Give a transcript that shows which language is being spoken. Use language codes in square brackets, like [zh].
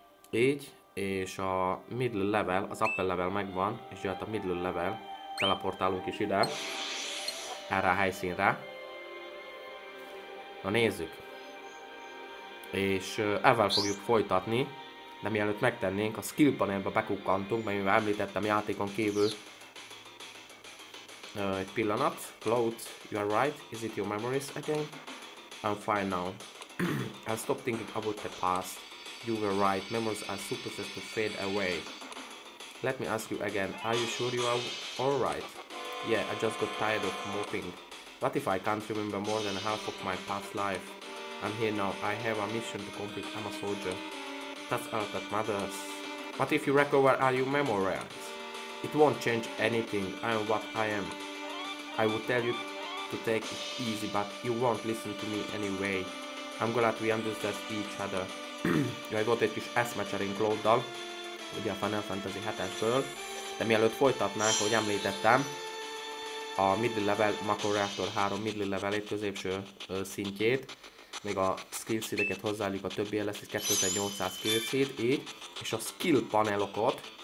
[hu] Így, és a middle level, az upper level megvan, és jöhet a middle level, teleportálunk is ide, erre a helyszínre. Na nézzük. És ezzel fogjuk folytatni, de mielőtt megtennénk, a skill panelbe bekukkantunk, mert mivel említettem játékon kívül. Egy pillanat, [en] Cloud, you are right, is it your memories again? I'm fine now. I stopped thinking about the past. You were right, memories are supposed to fade away. Let me ask you again, are you sure you are alright? Yeah, I just got tired of moping. What if I can't remember more than half of my past life? I'm here now, I have a mission to complete, I'm a soldier. That's all that matters. What if you recover all your memories? It won't change anything, I am what I am. I would tell you to take it easy, but you won't listen to me anyway. I'm glad we understood each other. [hu] Jaj, volt egy kis eszmecserénk Cloud-dal, ugye a Final Fantasy 7-esből, de mielőtt folytatnánk, ahogy említettem, a middle level, Mako Reactor 3 middle levelét, középső szintjét, még a skill seedeket hozzáadjuk, a többi lesz, egy 2800 skill seed, így, és a skill panelokat